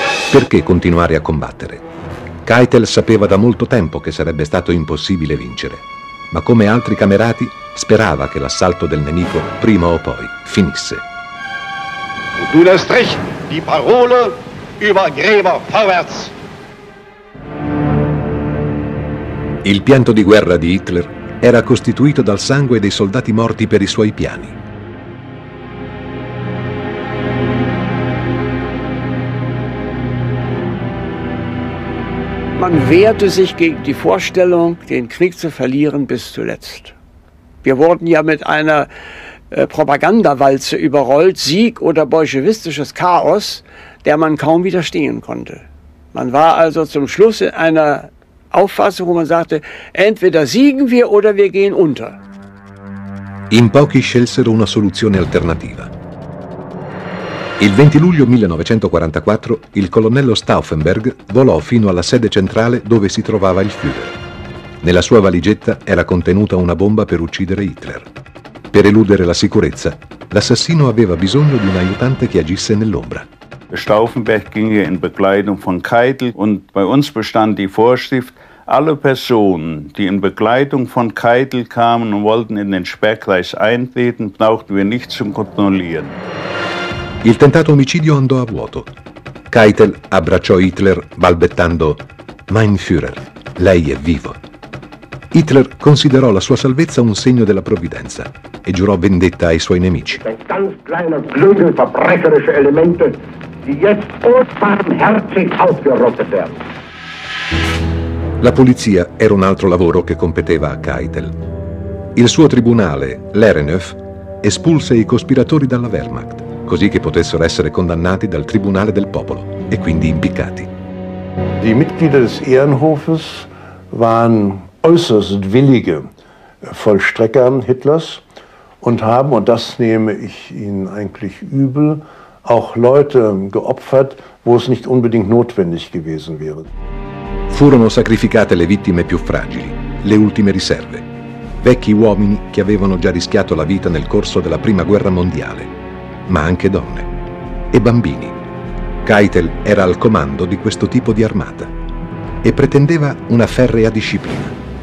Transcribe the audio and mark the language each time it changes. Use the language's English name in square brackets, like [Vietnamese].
[Italian] Perché continuare a combattere? Keitel sapeva da molto tempo che sarebbe stato impossibile vincere, ma come altri camerati sperava che l'assalto del nemico prima o poi finisse. [German] Du lässt recht die Parole über Gräber vorwärts. [Italian] Il pianto di guerra di Hitler era costituito dal sangue dei soldati morti per i suoi piani. [German] Man wehrte sich gegen die Vorstellung, den Krieg zu verlieren bis zuletzt. Wir wurden ja mit einer Propagandawalze überrollt, Sieg oder bolschewistisches Chaos, der man kaum widerstehen konnte. Man war also zum Schluss in einer Auffassung, wo man sagte, entweder siegen wir oder wir gehen unter. [Italian] In pochi scelsero una soluzione alternativa. Il 20 luglio 1944 il colonnello Stauffenberg volò fino alla sede centrale dove si trovava il Führer. Nella sua valigetta era contenuta una bomba per uccidere Hitler. Per eludere la sicurezza, l'assassino aveva bisogno di un aiutante che agisse nell'ombra. [German] Stauffenberg ging in Begleitung von Keitel und bei uns bestand die Vorschrift, alle Personen, die in Begleitung von Keitel kamen und wollten in den Sperrkreis eintreten, brauchten wir nicht zu kontrollieren. [Italian] Il tentato omicidio andò a vuoto. Keitel abbracciò Hitler balbettando [German] «Mein Führer, [Italian] lei è vivo». Hitler considerò la sua salvezza un segno della provvidenza e giurò vendetta ai suoi nemici. [German] Ein ganz kleiner Klügel verbrecherische Elemente, die jetzt unbarmherzig aufgerottet werden. [Italian] La polizia era un altro lavoro che competeva a Keitel. Il suo tribunale, l'Erenhof, espulse i cospiratori dalla Wehrmacht, così che potessero essere condannati dal Tribunale del Popolo e quindi impiccati. [German] I Mitglieder des Ehrenhofes waren äußerst willige Vollstrecker Hitlers und haben, und das nehme ich ihnen eigentlich übel, auch Leute geopfert, wo es nicht unbedingt notwendig gewesen wäre. [Italian] Furono sacrificate le vittime più fragili, le ultime riserve, vecchi uomini che avevano già rischiato la vita nel corso della Prima Guerra Mondiale, ma anche donne e bambini. Keitel era al comando di questo tipo di armata e pretendeva una ferrea disciplina.